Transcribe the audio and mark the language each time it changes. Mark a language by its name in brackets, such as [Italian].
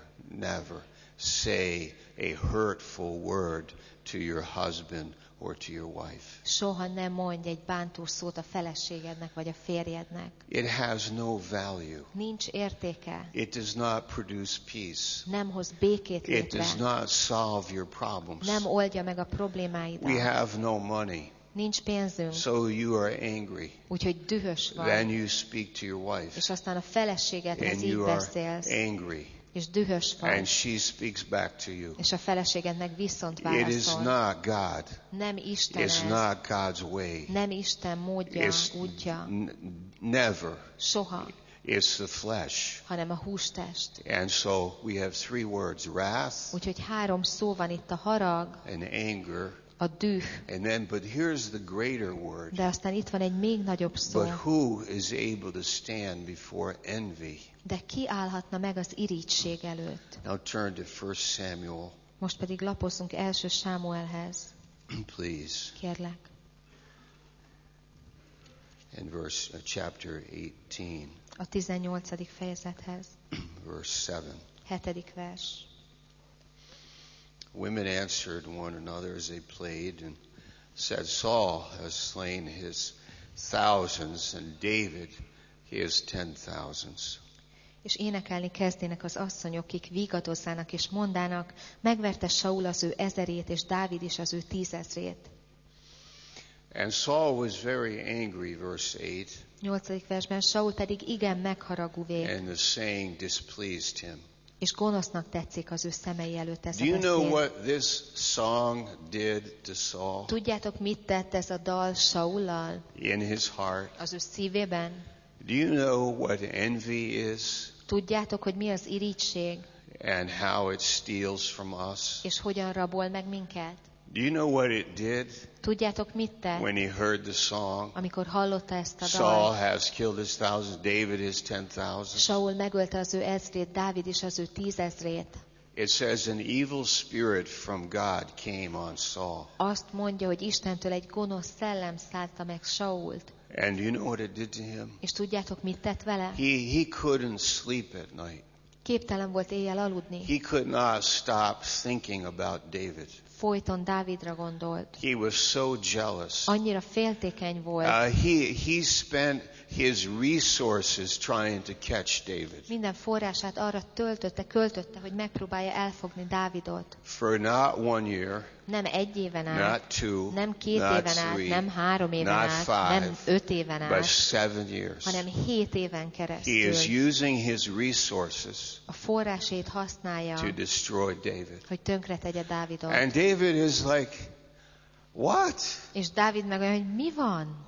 [English] Never say a hurtful word to your husband. Or to your wife. [Hungarian] Soha ne mondj egy bántó szót a feleségednek vagy a férjednek. [English] It has no value. [Hungarian] Nincs értéke. [English] It does not produce peace. [Hungarian] Nem hoz békét létre. [English] It does not solve your problems. [Hungarian] Nem oldja meg a problémáidat. [English] We have no money. [Hungarian] Nincs pénzünk. [English] So you are angry. [Hungarian] Úgyhogy dühös vagy. [English] Then you speak to your wife. [Hungarian] És aztán a feleségedhez [English] And [Hungarian] így [English] you are [Hungarian] beszélsz. [English] Angry. [Hungarian] És dühös vagy. [English] And she speaks back to you. [Hungarian] És a feleségednek viszont válaszol. [English] It is not God. [Hungarian] Nem Isten. [English] It's not God's way. [Hungarian] Nem Isten módja, [English] It's [Hungarian] útja. [English] Never. [Hungarian] Soha. [English] It's the flesh. [Hungarian] Hanem a hústest. [English] And so we have three words: wrath. [Hungarian] Úgyhogy három szó van itt: a harag. [English] And anger. [Hungarian] A düh. [English] And then, but here's the greater word. [Hungarian] De aztán itt van egy még nagyobb szó. [English] But who is able to stand before envy? [Hungarian] De ki állhatna meg az irítség előtt? [English] Now turn to 1 Samuel. [Hungarian] Most pedig lapozzunk első Sámuelhez. [English] Please. [Hungarian] Kérlek. [English] And verse chapter 18. [Hungarian] A 18. fejezethez. [English] Verse 7. [Hungarian] Hetedik vers. [English] Women answered one another as they played and said, Saul has slain his thousands and David his ten thousands. [Hungarian] És énekelni kezdének az asszonyok, akik vigadozzának és mondának, megverte Saul az ő ezerét, és Dávid is az ő tízezrét. [English] And Saul was very angry, verse 8. [Hungarian] 8. versben Saul pedig igen megharagúvé. [English] And the saying displeased him. [Hungarian] És gonosznak tetszik az ő szemei előtt ez a beszéd. [English] Do you know what this song did to Saul? [Hungarian] Tudjátok, mit tett ez a dal Saullal? [English] In his heart. [Hungarian] Az ő szívében. [English] Do you know what envy is? [Hungarian] Tudjátok, hogy mi az irítség? [English] And how it steals from us? [Hungarian] És hogyan rabol meg minket? [English] Do you know what it did? [Hungarian] Tudjátok, mit tett? [English] When he heard the song. [Hungarian] Amikor hallotta ezt a dalt. [English] Saul has killed his thousands, David his ten thousands. [Hungarian] Saul megölte az ő ezrét, Dávid is az ő tízezrét. [English] It says an evil spirit from God came on Saul. [Hungarian] Azt mondja, hogy Istentől egy gonosz szellem szállta meg Sault. [English] And you know what it did to him? [Hungarian] És tudjátok, mit tett vele? [English] He couldn't sleep at night. [Hungarian] Képtelen volt éjjel aludni. [English] He could not stop thinking about David. [Hungarian] folyton Dávidra gondolt. [English] He was so jealous. [Hungarian] Annyira féltékeny volt. [English] He spent his resources trying to catch David. [Hungarian] Minden forrását arra töltötte, költötte, hogy megpróbálja elfogni Dávidot. [English] For not one year. [Hungarian] Nem egy éven át. [English] Not two. [Hungarian] Nem két éven át. [English] Three, [Hungarian] nem három éven [English] not [Hungarian] át. [English] Five, [Hungarian] nem öt éven [English] but [Hungarian] át. [English] Seven years. [Hungarian] Hanem hét éven keresztül. [English] He is using his resources. [Hungarian] A forrásait használja. [English] To destroy David. [Hungarian] Hogy tönkretegye Dávidot. [English] And David is like, what? [Hungarian] És Dávid meg olyan, hogy mi van?